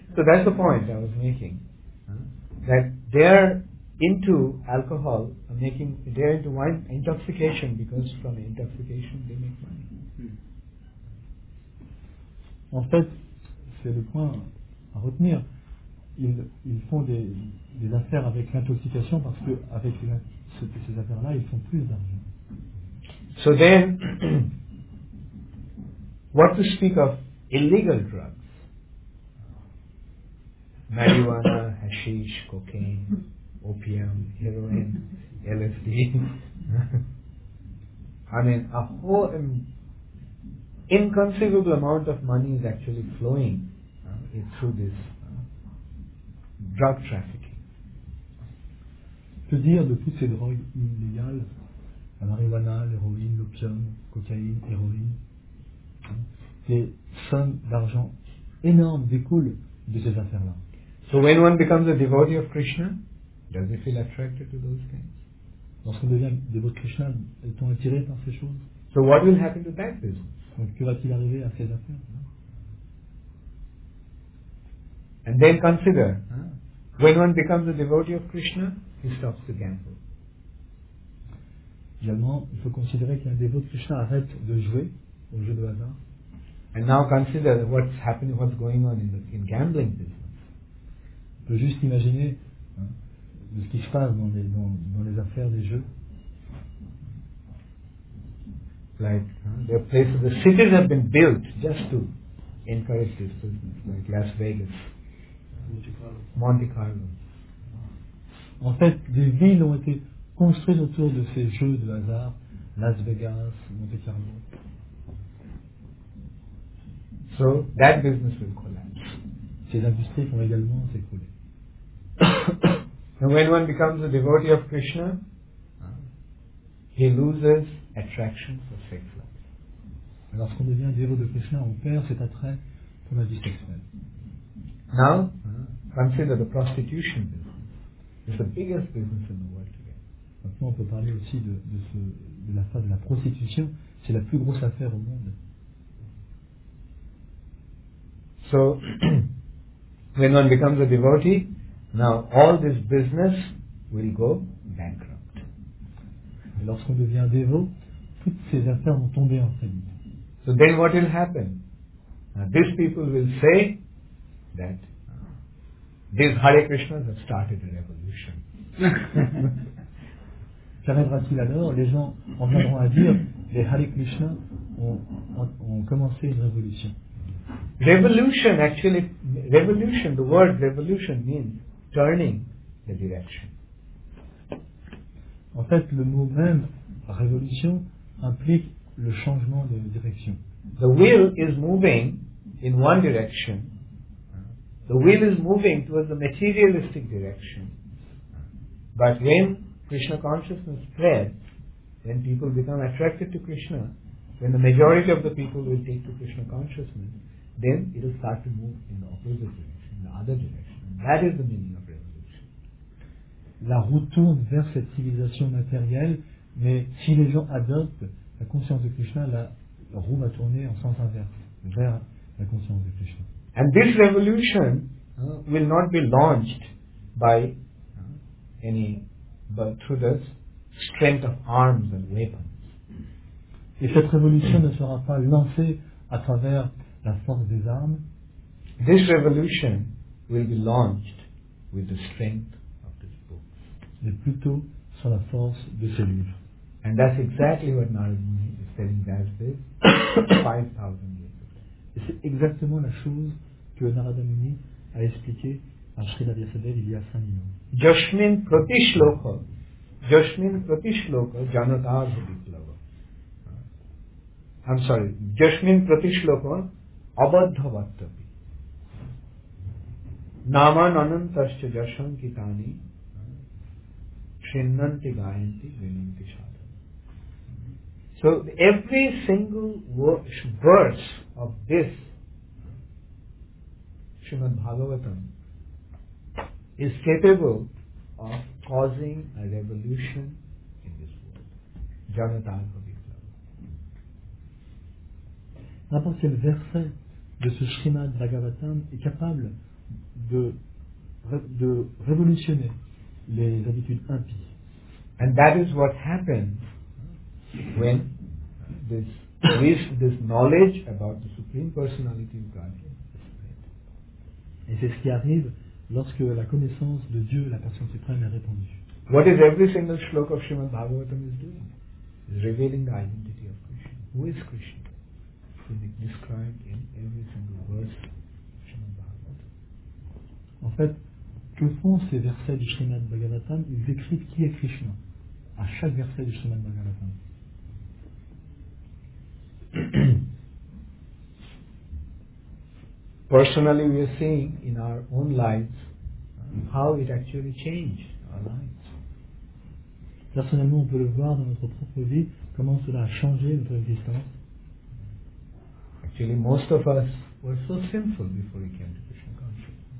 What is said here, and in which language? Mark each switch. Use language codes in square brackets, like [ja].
[en] So that's the point I was making. That they are into alcohol, making, they are into wine intoxication, because from intoxication they make money. [fr] En fait, c'est le point à retenir. Ils font des affaires avec l'intoxication parce que avec ces affaires-là, ils font plus d'argent. [en] So then, what to speak of illegal drugs? Marijuana, hashish, cocaine, opium, heroin, LSD. I mean, a whole inconceivable amount of money is actually flowing through this drug trafficking. [fr] Que dire de toutes ces drogues illégales, la marijuana, l'héroïne, l'opium, cocaïne, héroïne, des sommes d'argent énormes découlent de ces affaires-là. [en] So when one becomes a devotee of Krishna, does he feel attracted to those things? [fr] Lorsqu'on devient dévot de Krishna, est-on attiré par ces choses? [en] So what will happen to that business? [fr] Donc que va-t-il arriver à ces affaires? [en] And then consider, when one becomes a devotee of Krishna, he stops to gamble. [fr] Finalement, il faut considérer qu'un dévot de Krishna arrête de jouer au jeu de hasard. [en] And now consider what's happening, what's going on in gambling business. [fr] On peut juste imaginer ce qui se passe dans les affaires des jeux. [en] Like there are places, the cities have been built just to encourage this business, like Las Vegas, Monte Carlo. [fr] En fait, des villes ont été construites autour de ces jeux de hasard, Las Vegas, Monte Carlo. [en] So that business will collapse. [fr] Ces industries vont également s'écrouler. [en] And when one becomes a devotee of Krishna, he loses attraction for sex life. [fr] Lorsqu'on devient dévot de Krishna, on perd cet attrait pour la vie sexuelle. [en] Now, consider the prostitution business. It's the biggest business in the world today. [fr] Maintenant, on peut parler aussi de l'affaire de la prostitution. C'est la plus grosse affaire au monde. [en] So, when one becomes a devotee, now all this business will go bankrupt. [fr] Et lorsqu'on devient dévot, toutes ces affaires vont tomber en faillite. [en] So then what will happen? Now, these people will say that these Hare Krishnas have started a revolution. [fr] Qu'arrivera-t-il alors? Les gens en viendront à dire les Hare Krishna ont commencé une révolution. [en] Revolution, actually, revolution, the word revolution means turning the direction. [fr] En fait, le mot même, révolution, implique le changement de direction. [en] The wheel is moving in one direction. The wheel is moving towards the materialistic direction. But when Krishna consciousness spreads, when people become attracted to Krishna, when the majority of the people will take to Krishna consciousness, then it will start to move in the opposite direction, in the other direction. And that is the meaning of revolution. [fr] La route tourne vers cette civilisation matérielle, mais si les gens adoptent la conscience de Krishna, la roue va tourner en sens inverse, vers la conscience de Krishna. [en] And this revolution will not be launched by any, but through the strength of arms and weapons. [fr] Et cette révolution ne sera pas lancée à travers la force des armes. [en] This revolution will be launched with the strength of this book. [fr] Mais plutôt sur la force de ce livre. [en] And that's exactly what Narada Muni is telling Vyasadeva 5,000 years ago. [fr] Et c'est exactement la chose que Narada Muni a expliqué à Srila Vyasadeva il y a 5000 ans. [sa] Jashmin Pratishloka. Jashmin Pratishloka Janatarhubiklava. [en] I'm sorry. [sa] Jashmin Pratishloka Abadhavattavi. Naman Anantascha Jashan Kitani. Shinnanti Gayanti Vininti Shadha. [en] So every single verse of this Srimad Bhagavatam is capable of causing a revolution in this world. [sa] Janatarka Biplava. [fr] N'importe quel verset de ce Srimad Bhagavatam est capable de révolutionner les habitudes impies. [en] And that is what happened when this knowledge about the Supreme Personality of God. [fr] Et c'est ce qui arrive lorsque la connaissance de Dieu, la personne suprême, est répandue. [en] What is every single shloka of Srimad Bhagavatam is doing? Is revealing the identity of Krishna. Who is Krishna? Can be described in every single verse of Srimad Bhagavatam. [fr] En fait, que font ces versets du Srimad Bhagavatam? Ils décrivent qui est Krishna à chaque verset du Srimad Bhagavatam. [en] Personally, we are seeing in our own lives how it actually changed our lives. [fr] Personnellement, on peut le voir dans notre propre vie, comment cela a changé notre existence. [en] Actually, most of us were so sinful before we came to Krishna consciousness.